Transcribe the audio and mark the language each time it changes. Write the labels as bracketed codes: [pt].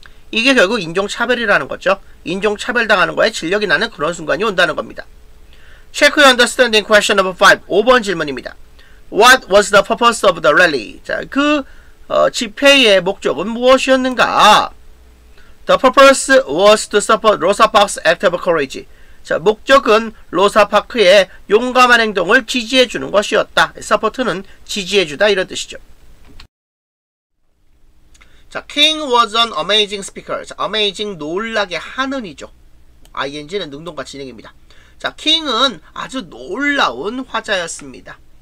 [ko] 이게 결국 인종차별이라는 거죠. 인종차별당하는 거에 진력이 나는 그런 순간이 온다는 겁니다. [en] Check your understanding question number 5. [ko] 5번 질문입니다. [en] What was the purpose of the rally? [ko] 자, 그 집회의 목적은 무엇이었는가? [en] The purpose was to support Rosa Parks' act of courage. [ko] 자, 목적은 로사 파크의 용감한 행동을 지지해 주는 것이었다. 서포트는 지지해 주다 이런 뜻이죠. [en] 자, King was an amazing speaker. 자, amazing [ko] 놀라게 하는이죠. ing는 능동과 진행입니다. 자, King은 아주 놀라운 화자였습니다.